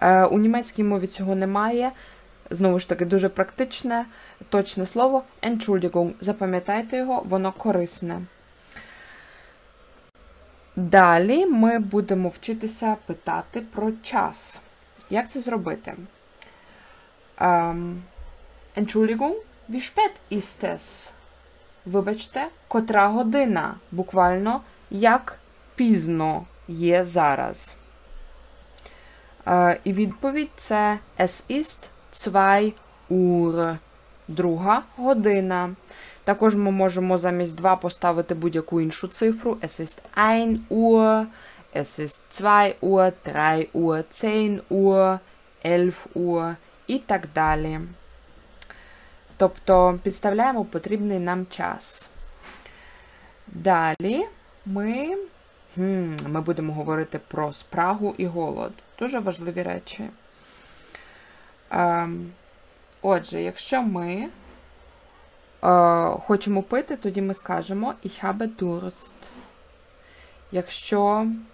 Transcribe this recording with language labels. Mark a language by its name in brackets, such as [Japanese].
[Ukrainian] У німецькій мові цього немає. Знову ж таки, дуже практичне, точне слово «Entschuldigung». Запам'ятайте його, воно корисне. Далі ми будемо вчитися питати про час. Як це зробити? [German] «Entschuldigung, wie spät ist es?» [Ukrainian] Вибачте, «котра година?» Буквально, «як пізно є зараз?» І відповідь – це [German] «es ist». «Zwei Uhr» [Ukrainian] – друга година. Також ми можемо замість «два» поставити будь-яку іншу цифру. [German] «Es ist ein Uhr», «Es ist zwei Uhr», «Drei Uhr», «Zehn Uhr», «Elf Uhr» [Ukrainian] і так далі. Тобто, підставляємо потрібний нам час. Далі ми будемо говорити про спрагу і голод. Дуже важливі речі. Отже, якщо ми хочемо пити, тоді ми скажемо [German] «Ich habe Durst». [Ukrainian] Якщо